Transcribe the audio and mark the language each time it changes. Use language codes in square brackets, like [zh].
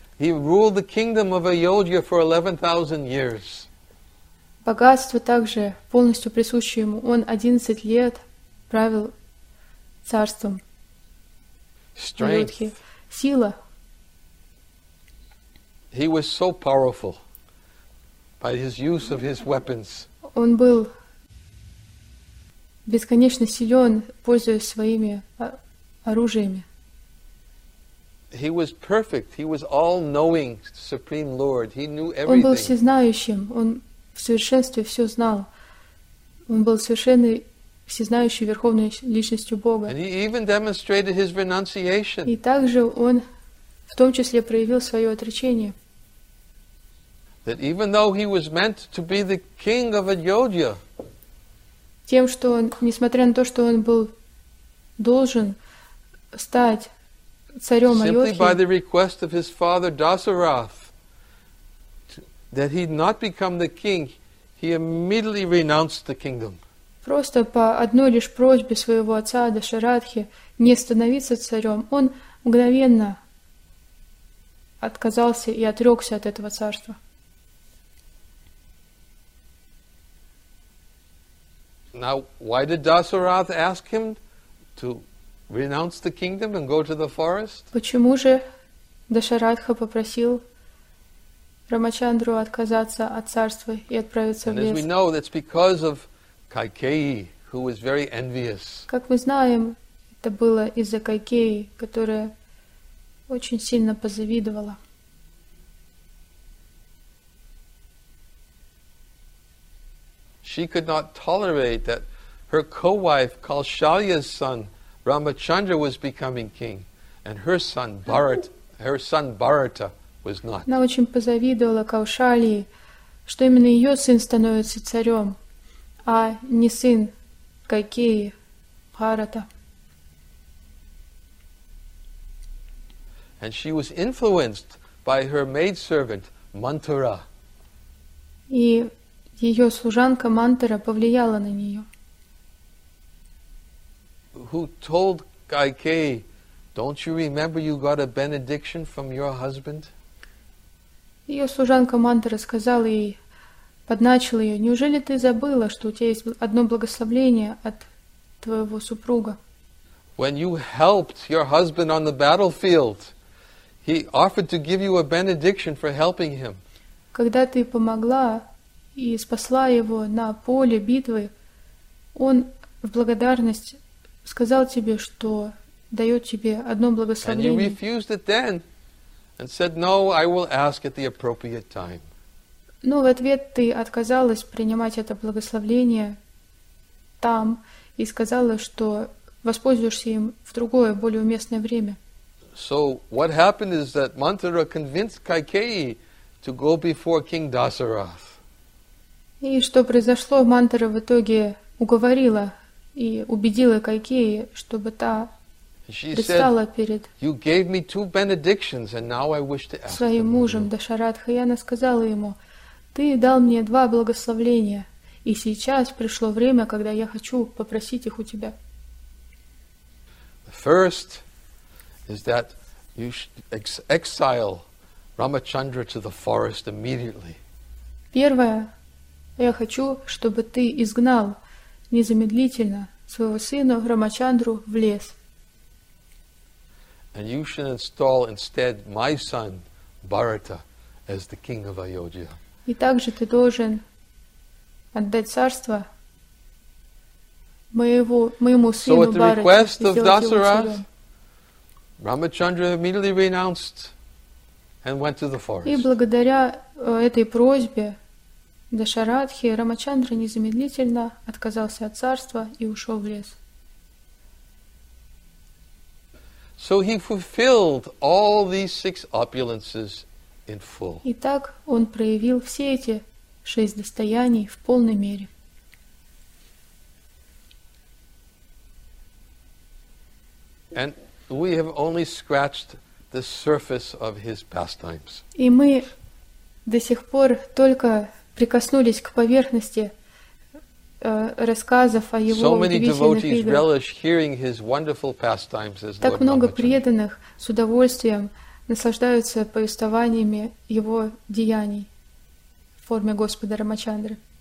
[en] He ruled the kingdom of Ayodhya for 11,000 years. [ru] Богатство также полностью присуще ему. Он 11 лет правил царством. [en] Strength. [ru] Сила. [en] He was so powerful by his use of his weapons. [ru] Он был бесконечно силен, пользуясь своими оружиями. [en] He was perfect. He was all-knowing, Supreme Lord. He knew everything. [ru] Он был всезнающим. Он в совершенстве все знал. Он был совершенной всезнающей верховной личностью Бога. [en] And he even demonstrated his renunciation. [ru] И также он в том числе проявил свое отречение. [en] That even though he was meant to be the king of Ayodhya, [ru] тем, что он, несмотря на то, что он был должен стать царем Айодхи, [en] simply by the request of his father Dasarath, that he not become the king, he immediately renounced the kingdom. [ru] Просто по одной лишь просьбе своего отца Дашарадхи не становиться царем, он мгновенно отказался и отрекся от этого царства. [en] Now, why did Dasarath ask him to renounce the kingdom and go to the forest? [ru] Почему же Дашарадха попросил Рамачандру отказаться от царства и отправиться в лес? [en] And as we know, that's because of Кайкеи, who was very envious. [ru] Как мы знаем, это было из-за Кайкеи, которая очень сильно позавидовала. [en] She could not tolerate that her co-wife, Kaushalya's son, Ramachandra, was becoming king, and her son Bharata was not. [ru] Она очень позавидовала Каушалье, что именно ее сын становится царем, а не сын Кайкеи, Бхарата. [en] And she was influenced by her maidservant, Mantara. [ru] И ее служанка Мантара повлияла на нее. [en] Who told Кайкеи, don't you remember you got a benediction from your husband? [ru] Ее служанка Мантара сказала ей, подначила ее, неужели ты забыла, что у тебя есть одно благословение от твоего супруга? [en] When you helped your husband on the battlefield, he offered to give you a benediction for helping him. [ru] Когда ты помогла и спасла его на поле битвы, он в благодарность сказал тебе, что дает тебе одно благословение. [en] And you refused it then and said, no, I will ask at the appropriate time. [ru] Но в ответ ты отказалась принимать это благословение там и сказала, что воспользуешься им в другое, более уместное время. [en] So what happened is that Mantara convinced Kaikeyi to go before King Dasarath. [ru] И что произошло, Мантара в итоге уговорила и убедила Кайкеи, чтобы та предстала перед [en] you gave me two benedictions, and now I wish to ask [ru] своим мужем Дашаратха, и она сказала ему: «Ты дал мне два благословения, и сейчас пришло время, когда я хочу попросить их у тебя». [en] The first is that you should exile Рамачандра to the forest immediately. [ru] Первое, я хочу, чтобы ты изгнал незамедлительно своего сына Рамачандру в лес. [en] And you should install instead my son Bharata as the king of Ayodhya. [ru] И также ты должен отдать царство моему сыну Бхарата. [en] So at the request of Dasarath, Рамачандра immediately renounced and went to the forest. [ru] И благодаря этой просьбе Дашаратхи, Рамачандра незамедлительно отказался от царства и ушел в лес. [en] So he fulfilled all these six opulences in full. [ru] Итак, он проявил все эти шесть достояний в полной мере. [en] And we have only scratched the surface of his pastimes. [ru] И мы до сих пор только прикоснулись к поверхности рассказов о его удивительных играх. Так много преданных с удовольствием наслаждаются повествованиями его деяний в форме Господа Рамачандры.